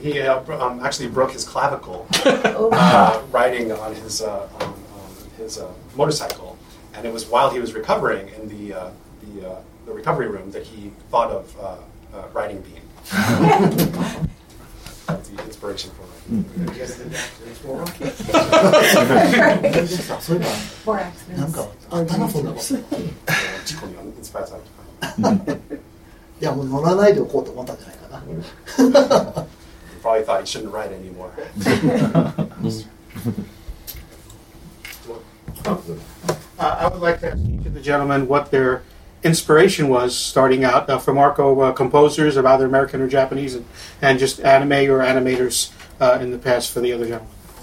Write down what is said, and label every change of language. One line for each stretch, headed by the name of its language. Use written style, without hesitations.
English: He actually broke his clavicle riding on his motorcycle, and it was while he was recovering in the recovery room that he thought of riding bean. That's the inspiration for it.
Japanese: いやもう乗らないでおこうと思ったんじゃないかな。
English: He probably thought he shouldn't write anymore. I would like to ask each of the gentlemen what their inspiration was starting out, for Marco, composers of either American or Japanese, and just anime or animators in the past for the other gentlemen.